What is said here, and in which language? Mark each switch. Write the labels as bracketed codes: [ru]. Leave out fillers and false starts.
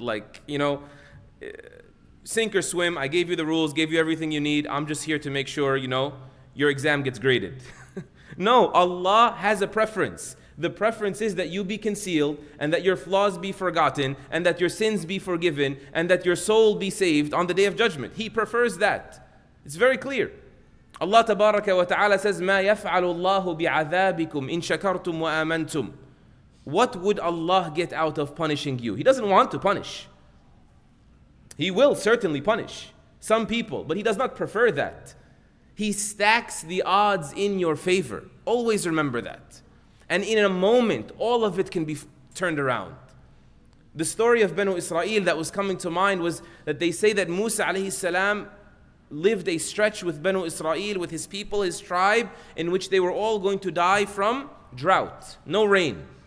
[en] Like, you know, sink or swim, I gave you the rules, gave you everything you need, I'm just here to make sure, you know, your exam gets graded. No, Allah has a preference. The preference is that you be concealed, and that your flaws be forgotten, and that your sins be forgiven, and that your soul be saved on the Day of Judgment. He prefers that. It's very clear. [ar] Allah tabaraka wa ta'ala says, مَا يَفْعَلُ اللَّهُ بِعَذَابِكُمْ إِن شَكَرْتُمْ وَآمَنْتُمْ. [en] What would Allah get out of punishing you? He doesn't want to punish. He will certainly punish some people, but He does not prefer that. He stacks the odds in your favor. Always remember that. And in a moment, all of it can be turned around. The story of Banu Israel that was coming to mind was that they say that Musa alayhi salam lived a stretch with Banu Israel, with his people, his tribe, in which they were all going to die from drought, no rain.